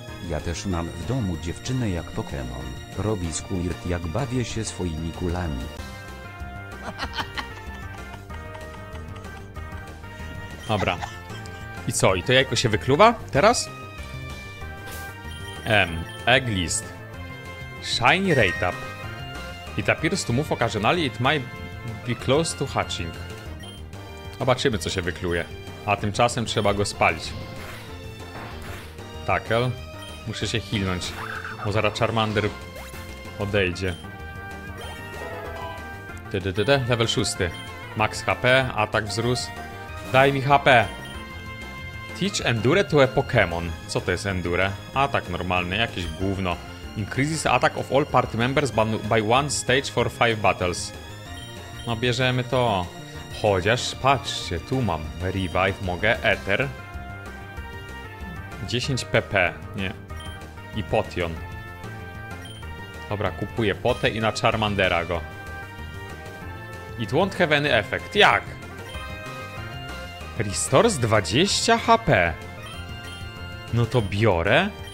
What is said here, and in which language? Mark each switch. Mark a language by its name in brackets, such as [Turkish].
[Polish] Ja też mam w domu dziewczynę jak Pokemon. Robi squirt jak bawię się swoimi kulami. Dobra. I co? I to jajko się wykluwa? Teraz? Egg list. Shiny Raytap. [English] It appears to move occasionally, it might be close to hatching. [Polish] Zobaczymy, co się wykluje. A tymczasem trzeba go spalić. Tackle. Muszę się healnąć, bo zaraz Charmander odejdzie. Level 6. Max HP, atak wzrósł. Daj mi HP! [English] Teach Endure to a Pokémon. [Polish] Co to jest Endure? Atak normalny, jakieś gówno. [English] Increases attack of all party members by one stage for 5 battles. [Polish] No bierzemy to. Chociaż, patrzcie, tu mam revive, mogę, Ether. 10 PP, nie. I Potion. Dobra, kupuję Potę i na Charmandera go. [English] It won't have any effect. [Polish] Jak? [English] Restores 20 HP. [Polish] No to biorę.